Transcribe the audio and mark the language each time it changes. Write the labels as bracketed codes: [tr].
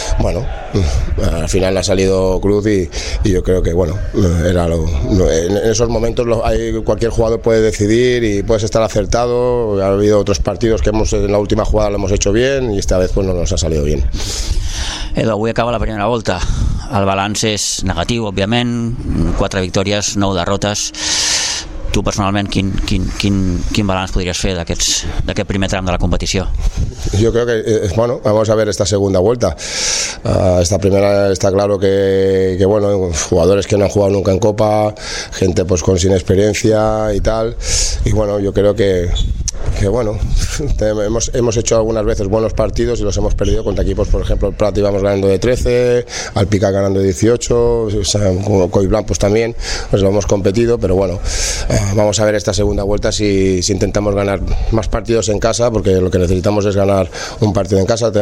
[es] Bueno, al final ha salido cruz y yo creo que bueno, era lo, en esos momentos cualquier jugador puede decidir y puedes estar acertado. Ha habido otros partidos que hemos en la última jugada lo hemos hecho bien y esta vez pues no nos ha salido bien. [ca] Edu, avui acaba la primera volta. El balanç és negatiu, òbviament, 4 victòries, 9 derrotes. Tu personalment quin balanç podries fer d'aquest primer tram de la competició? [es] Yo creo que bueno, vamos a ver esta segunda vuelta. Esta primera está claro que bueno, jugadores que no han jugado nunca en Copa, gente pues con sin experiencia y tal. Y bueno, yo creo que bueno, hemos hecho algunas veces buenos partidos y los hemos perdido contra equipos, por ejemplo, el Prat íbamos ganando de 13, Alpica ganando de 18, Coiblan pues también, pues lo hemos competido, pero bueno, vamos a ver esta segunda vuelta si intentamos ganar más partidos en casa, porque lo que necesitamos es ganar un partido en casa.